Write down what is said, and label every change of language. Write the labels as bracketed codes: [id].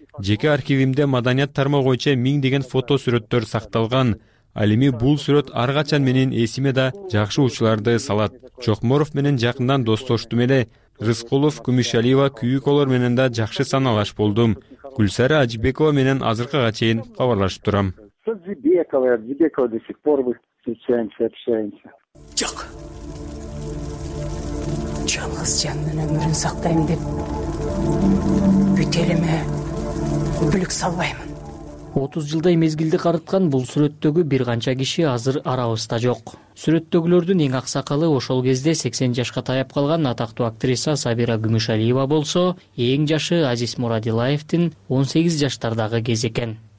[ky] Жеке архивимде маданият тармагы боюнча миң деген фото сүрөттөр сакталган. Ал эми бул сүрөт ар качан менин эсиме да жакшы учуларды салат. Чокморов менен жакындан достоштум эле. Рыскулов, Күмүшалиева, Күйүколор менен да жакшы саналаш болдум. Гүлсара Ажибекова менен азыркыга чейин кабарлашып турам. [ru] Ажибекова до сих пор мы встречаемся, общаемся. [ky] Жок. Жалгыз жан менен өмүрүн сактайм деп бүт элиме бүлүк салбаймын. 30 жылдай мезгилди карыткан бул сүрөттөгү бир канча киши азыр арабызда жок. Сүрөттөгүлөрдүн эң аксакалы ошол кезде 80 жашка таяп калган атактуу актриса Сабира Күмүшалиева болсо, эң жашы Азиз Мурадилаевдин 18 жаштардагы кез экен.